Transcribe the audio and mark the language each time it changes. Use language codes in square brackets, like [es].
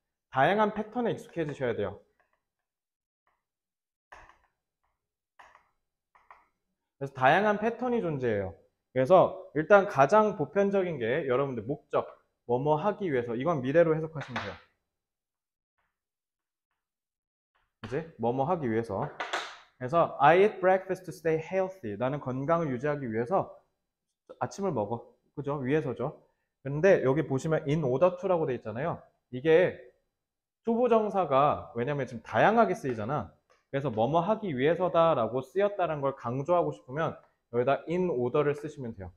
[ko] 다양한 패턴에 익숙해지셔야 돼요. 그래서 다양한 패턴이 존재해요. 그래서 일단 가장 보편적인 게 여러분들 목적, 뭐뭐 하기 위해서, 이건 미래로 해석하시면 돼요. 이제 뭐뭐 하기 위해서. 그래서 [en] I eat breakfast to stay healthy. [ko] 나는 건강을 유지하기 위해서 아침을 먹어. 그죠? 위해서죠. 근데 여기 보시면 in order to라고 돼 있잖아요. 이게 투부정사가, 왜냐면 지금 다양하게 쓰이잖아. 그래서 뭐뭐 하기 위해서다라고 쓰였다는 걸 강조하고 싶으면 여기다 in order를 쓰시면 돼요.